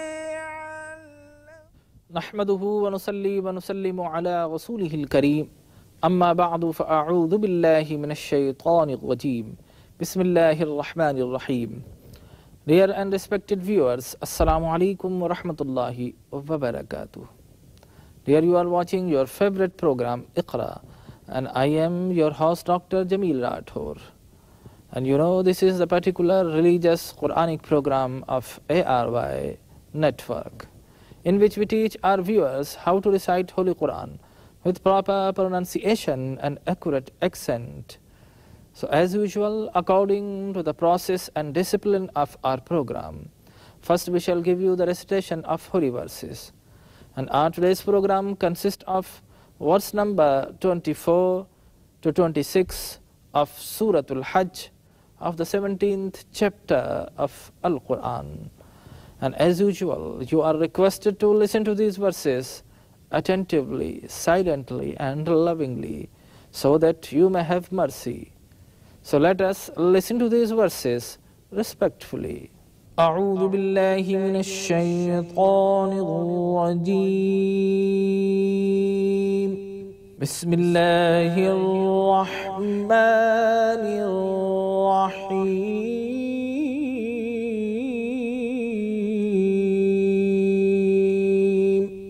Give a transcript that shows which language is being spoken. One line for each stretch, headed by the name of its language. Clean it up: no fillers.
Arabic: نحمده ونصلي ونسلم على رسوله الكريم أما بعد فأعوذ بالله من الشيطان الرجيم بسم الله الرحمن الرحيم
English: Dear and respected viewers, Assalamu alaikum wa rahmatullahi wa barakatuh. Dear, you are watching your favorite program, Iqra, and I am your host, Dr. Jameel Rathore. And you know, this is the particular religious Quranic program of ARY network, in which we teach our viewers how to recite Holy Quran with proper pronunciation and accurate accent. So as usual, according to the process and discipline of our program, first we shall give you the recitation of holy verses. And our today's program consists of verse number 24 to 26 of Surah Al-Hajj of the 17th chapter of Al-Quran. And as usual, you are requested to listen to these verses attentively, silently and lovingly, so that you may have mercy. So let us listen to these verses respectfully.
Arabic: أعوذ بالله من الشيطان الرجيم بسم الله الرحمن الرحيم